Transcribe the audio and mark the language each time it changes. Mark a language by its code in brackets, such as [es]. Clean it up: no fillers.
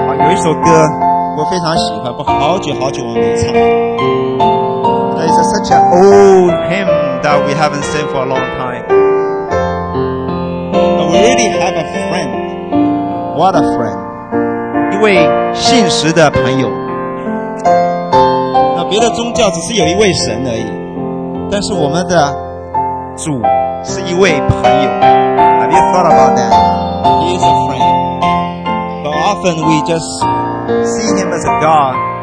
[zh] 一首歌我非常喜欢，不好久好久我没唱。 [en] That is such an old hymn that we haven't sang for a long time. But we really have a friend. What a friend. [zh] 一位信实的朋友。那别的宗教只是有一位神而已，但是我们的主是一位朋友。 [en] Have you thought about that? He is a friend. But often we just see him as a God.